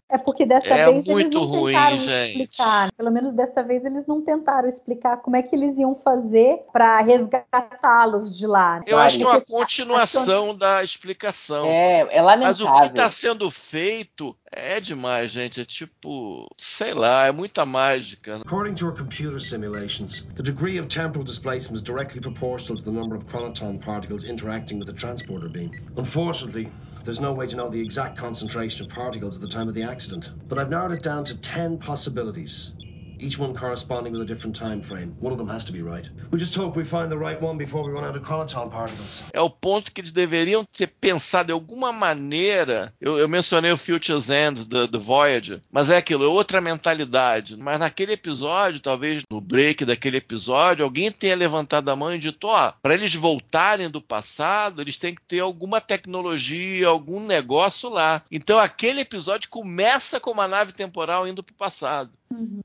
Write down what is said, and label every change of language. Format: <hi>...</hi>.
<pt>É porque dessa vez muito eles não ruim, tentaram gente. Explicar. Pelo menos dessa vez eles não tentaram explicar como é que eles iam fazer para resgatá-los de lá. Eu acho que é uma continuação da explicação. É lamentável. Mas o que está sendo feito é demais, gente. É tipo, sei lá, é muita mágica.</pt> <en>According to our computer simulations, the degree of temporal displacement is directly proportional to the number of chroniton particles interacting with the transporter beam. Unfortunately, there's no way to know the exact concentration of particles at the time of the accident, but I've narrowed it down to 10 possibilities, each one corresponding with a different time frame. One of them has to be right. We just hope we find the right one before we run out of chroniton particles.</en> <pt>É o ponto que eles deveriam ter pensado de alguma maneira. Eu mencionei o Future's End do Voyager, mas é aquilo, é outra mentalidade. Mas naquele episódio, talvez no break daquele episódio, alguém tenha levantado a mão e dito, para eles voltarem do passado, eles têm que ter alguma tecnologia, algum negócio lá. Então aquele episódio começa com uma nave temporal indo pro passado. Uhum.</pt>